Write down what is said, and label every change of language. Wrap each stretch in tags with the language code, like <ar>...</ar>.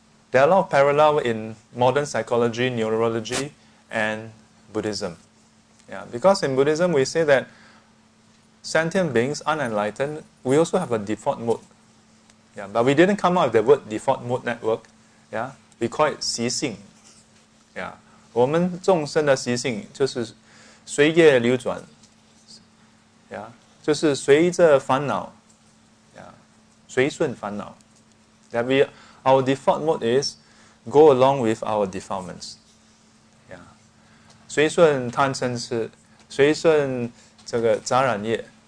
<en>There are a lot of parallel in modern psychology, neurology, and Buddhism. Yeah, because in Buddhism, we say that sentient beings, unenlightened, we also have a default mode. Yeah, but we didn't come up with the word default mode network. Yeah, we call it 习性. Yeah,</en> <zh>我们众生的习性就是随业流转.</zh> <en>Yeah,</en> <zh>就是随着烦恼.</zh> <en>Yeah,</en> <zh>随顺烦恼.</zh> <en>That we, our default mode is go along with our defilements. Yeah,</en> <zh>随顺贪嗔痴，随顺这个杂染业.</zh>